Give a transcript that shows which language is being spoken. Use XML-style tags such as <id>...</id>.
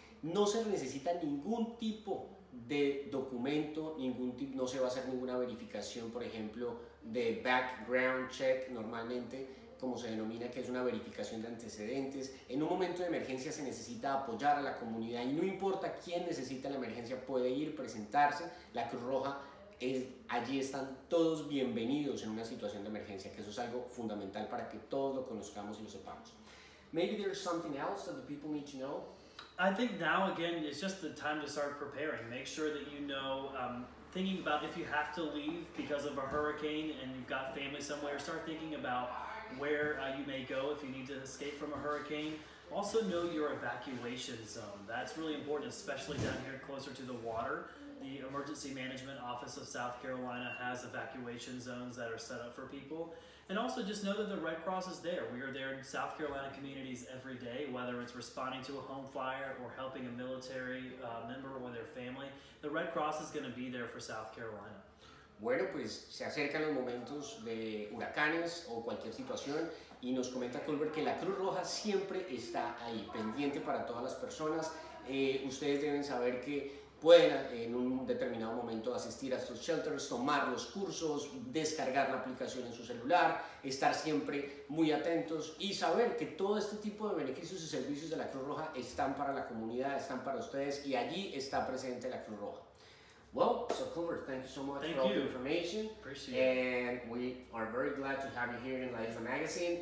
<es>No se necesita ningún tipo de documento, no se va a hacer ninguna verificación, por ejemplo, de background check, normalmente, como se denomina, que es una verificación de antecedentes. En un momento de emergencia se necesita apoyar a la comunidad y no importa quién necesita la emergencia, puede ir, presentarse. La Cruz Roja, allí están todos bienvenidos en una situación de emergencia, que eso es algo fundamental para que todos lo conozcamos y lo sepamos.</es> <en>Maybe there's something else that the people need to know? I think now, again, it's just the time to start preparing. Make sure that you know, thinking about if you have to leave because of a hurricane and you've got family somewhere, start thinking about where you may go if you need to escape from a hurricane. Also know your evacuation zone. That's really important, especially down here closer to the water. The Emergency Management Office of South Carolina has evacuation zones that are set up for people. And also just know that the Red Cross is there. We are there in South Carolina communities every day, whether it's responding to a home fire or helping a military member or their family. The Red Cross is going to be there for South Carolina.</en> <es>Bueno, pues se acercan los momentos de huracanes o cualquier situación y nos comenta Culver que la Cruz Roja siempre está ahí, pendiente para todas las personas. Ustedes deben saber que pueden en un determinado momento asistir a estos shelters, tomar los cursos, descargar la aplicación en su celular, estar siempre muy atentos y saber que todo este tipo de beneficios y servicios de la Cruz Roja están para la comunidad, están para ustedes y allí está presente la Cruz Roja.</es> <en>Well, so Culver, thank you so much thank for all you. The information. Appreciate it. And we are very glad to have you here in La Isla Magazine</en>